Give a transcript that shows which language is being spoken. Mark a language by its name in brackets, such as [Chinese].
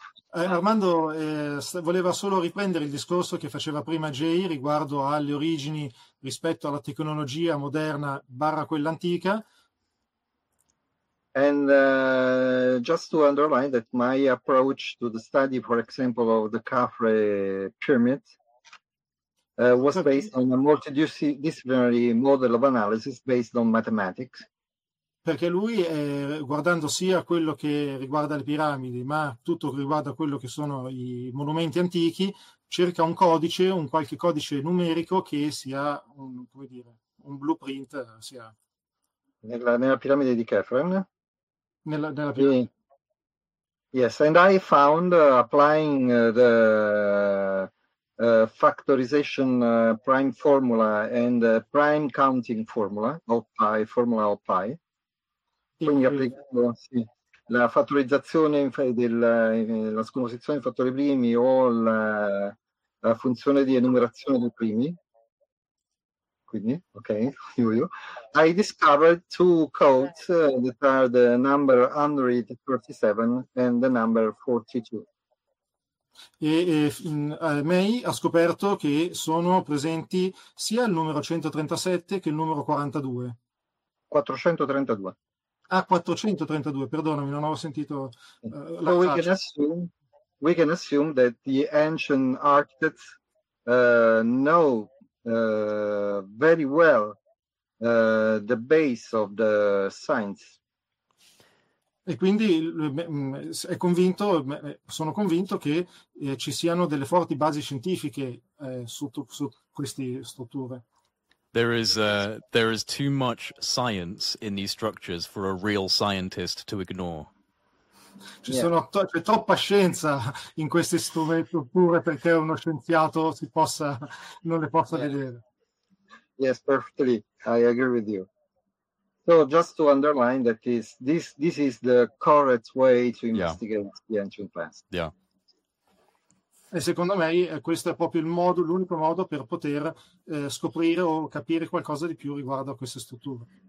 [Italian] Armando voleva solo riprendere il discorso che faceva prima Jay riguardo alle origini rispetto alla tecnologia moderna barra quella antica. [English] And just to underline that my approach to the study, for example, of the CAFR pyramid was based on a multidisciplinary model of analysis based on mathematics. [Italian] Perché lui, guardando sia quello che riguarda le piramidi, ma tutto che riguarda quello che sono i monumenti antichi, cerca un codice, un qualche codice numerico che sia un blueprint. Sia... Nella piramide di Kefren? Nella piramide. [English] Yes, and I found applying the factorization prime formula and prime counting formula, of pi, formula of pi. [Italian] Quindi applicando la fattorizzazione la scomposizione dei fattori primi o la funzione di enumerazione dei primi. Quindi, ok, [English] I discovered two codes that are the number 137 and the number 42. [Italian] May ha scoperto che sono presenti sia il numero 137 che il numero 42. 432. Ah, 432, perdonami, non avevo sentito la faccia. [English] We can assume that the ancient architects know very well the base of the science. [Italian] E quindi è convinto, sono convinto che ci siano delle forti basi scientifiche su queste strutture. [English] There is too much science in these structures for a real scientist to ignore. [Italian] C'è troppa scienza in queste strutture perché uno scienziato non le possa vedere. [English] Yes, perfectly. I agree with you. So just to underline that this is the correct way to investigate the ancient past. Yeah. [Italian] E secondo me questo è proprio l'unico modo per poter scoprire o capire qualcosa di più riguardo a queste strutture.